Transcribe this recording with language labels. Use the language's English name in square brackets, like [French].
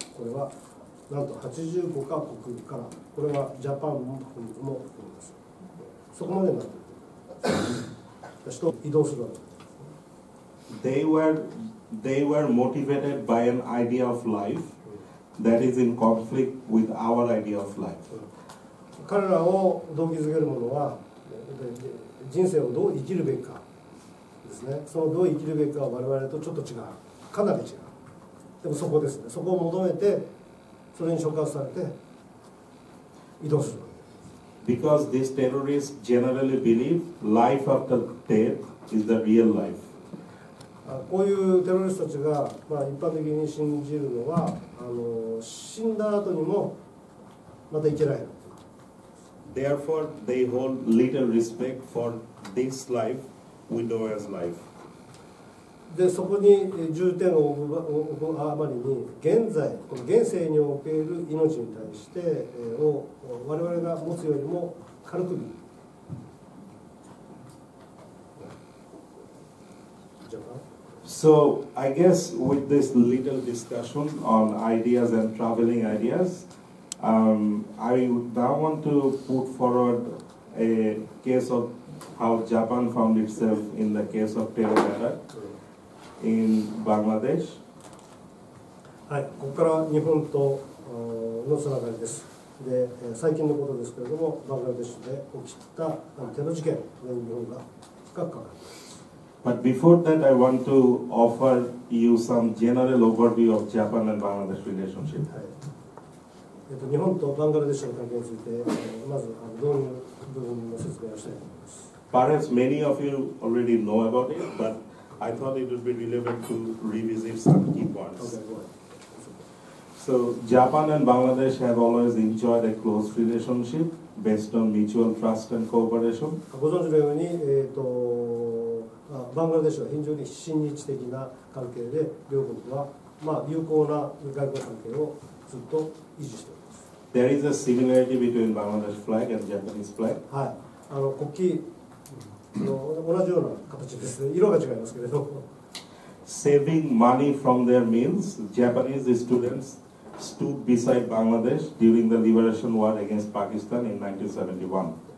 [Japanese] これはなんと85カ国から、これはジャパンも含む。そこまでになっている。人移動するわけです。 [English] They were motivated by an idea of life that is in conflict with our idea of life. [Japanese] 彼らを動機づけるものは、人生をどう生きるべきかですね。そのどう生きるべきかは我々とちょっと違う。かなり違う。でもそこですね。そこを求めて、それに触発されて移動する。 [English] Because these terrorists generally believe life after death is the real life. [Japanese] こういうテロリストたちが、一般的に信じるのは、死んだ後にもまた生きられる。 [English] Therefore, they hold little respect for this life we know as life. [Japanese] で、そこに重点を置くあまりに、現在、この現世における命に対して、を我々が持つよりも軽く見る。 [English] So, I guess with this little discussion on ideas and traveling ideas, I now want to put forward a case of how Japan found itself in the case of terror attack in Bangladesh. [Japanese] はい、ここから日本とのつながりです。で、最近のことですけれども、バングラデシュで起きたテロ事件で日本が深く関わります。 [English] But before that, I want to offer you some general overview of Japan and Bangladesh relationship. [Japanese] 日本とバングラデシュの関係について、まず導入部分の説明をしたいと思います。 [English] Perhaps many of you already know about it, but I thought it would be relevant to revisit some key points. Okay, go ahead. So, Japan and Bangladesh have always enjoyed a close relationship based on mutual trust and cooperation. [Japanese] ご存知のように、バングラデシュは非常に親日的な関係で、両国は友好な外交関係をずっと維持しています。 [English] There is a similarity between Bangladesh flag and Japanese flag. [Japanese] はい、国旗の同じような形ですね。色が違いますけれど。 [English] Saving money from their meals, Japanese students stood beside Bangladesh during the liberation war against Pakistan in 1971.